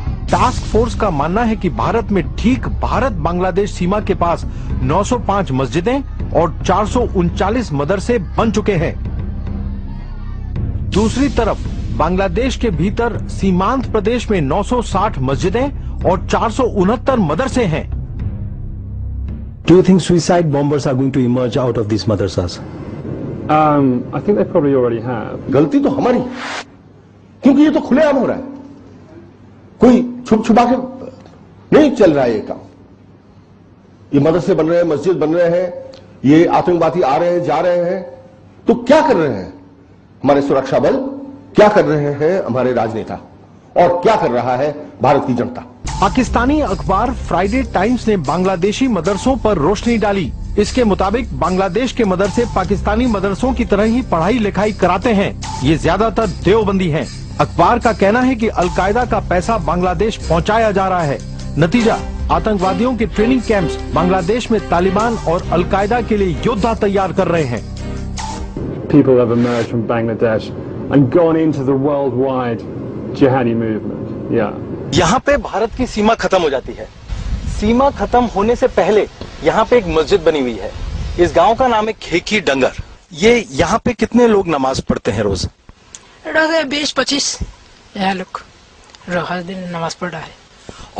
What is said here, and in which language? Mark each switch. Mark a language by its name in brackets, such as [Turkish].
[Hindi] Task force का मानना है कि भारत में ठीक भारत बांग्लादेश सीमा के पास 905 मस्जिदें और 439 मदरसे बन चुके हैं। दूसरी तरफ बांग्लादेश के भीतर सीमांत प्रदेश में 960 मस्जिदें और 469 मदरसे हैं। [English] Do you think suicide bombers are going to emerge out of these madrasas? I think they probably already have. [Hindi] गलती तो हमारी, क्योंकि ये तो खुलेआम हो रहा है, कोई छुप छुपा के नहीं चल रहा है ये काम। ये मदरसे बन रहे हैं, मस्जिद बन रहे हैं, ये आतंकवादी आ रहे हैं जा रहे हैं, तो क्या कर रहे हैं हमारे सुरक्षा बल, क्या कर रहे हैं हमारे राजनेता और क्या कर रहा है भारत की जनता। पाकिस्तानी अखबार फ्राइडे टाइम्स ने बांग्लादेशी मदरसों पर रोशनी डाली। इसके मुताबिक बांग्लादेश के मदरसे पाकिस्तानी मदरसों की तरह ही पढ़ाई लिखाई कराते हैं, ये ज्यादातर देवबंदी हैं। अखबार का कहना है कि अलकायदा का पैसा बांग्लादेश पहुंचाया जा रहा है, नतीजा आतंकवादियों के ट्रेनिंग कैंप्स बांग्लादेश में तालिबान और अलकायदा के लिए योद्धा तैयार कर रहे हैं। [English] People have emerged from Bangladesh and gone into the worldwide jihadi movement. Yeah. [Hindi] यहाँ पे भारत की सीमा खत्म हो जाती है। सीमा खत्म होने से पहले यहाँ पे एक मस्जिद बनी हुई है। इस गांव का नाम है खेकी डंगर। ये यहाँ पे कितने लोग नमाज पढ़ते हैं रोज? 20-25 यहाँ लोग हर दिन नमाज पढ़ रहा है।